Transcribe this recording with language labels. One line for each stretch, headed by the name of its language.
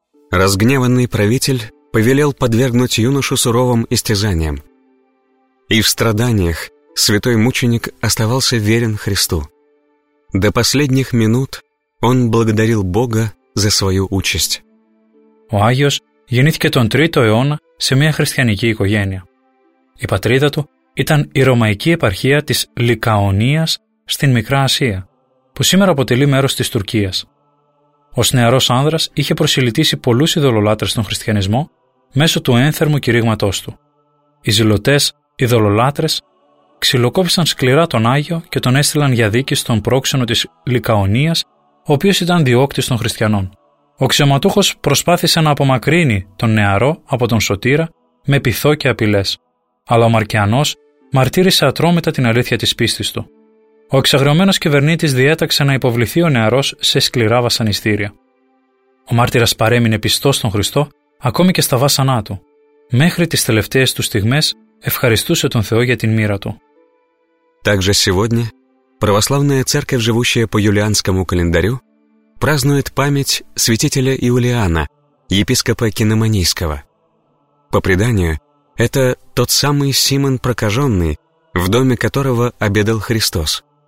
Russian: Разгневанный правитель повелел подвергнуть юношу суровым истязаниям. И в страданиях святой мученик оставался верен Христу. До последних минут он благодарил Бога за свою участь.
Greek: Ο Άγιος γεννήθηκε τον 3ο αιώνα σε μια χριστιανική οικογένεια. Η πατρίδα του ήταν η Ρωμαϊκή επαρχία της Λικαωνίας στην Μικρά Ασία, που σήμερα αποτελεί μέρος της Τουρκίας. Ως νεαρός άνδρας είχε προσιλητήσει πολλούς ειδωλολάτρες στον χριστιανισμό μέσω του ένθερμου κηρύγματός του. Οι ζηλωτές ειδωλολάτρες ξυλοκόπησαν σκληρά τον Άγιο και τον έστειλαν για δίκη στον πρόξενο της Λικαωνίας, ο οποίος ήταν διώκτης των χριστιανών. Ο αξιωματούχος προσπάθησε να απομακρύνει τον νεαρό από τον σωτήρα με πειθό και απειλές. Αλλά ο Μαρκιανός μαρτύρησε ατρόμητα την αλήθεια της πίστης του. Ο εξαγριωμένος κυβερνήτης διέταξε να υποβληθεί ο νεαρός σε σκληρά βασανιστήρια. Ο μάρτυρας παρέμεινε πιστός στον Χριστό ακόμη και στα βάσανά του. Μέχρι τις τελευταίες του στιγμές ευχαριστούσε τον Θεό για την μοίρα του.
Russian: Также сегодня православная церковь, живущая по юлианскому календарю, празднует память святителя Иулиана, епископа Киномонийского. По преданию, это тот самый Симон Прокаженный, в доме которого обедал Христос.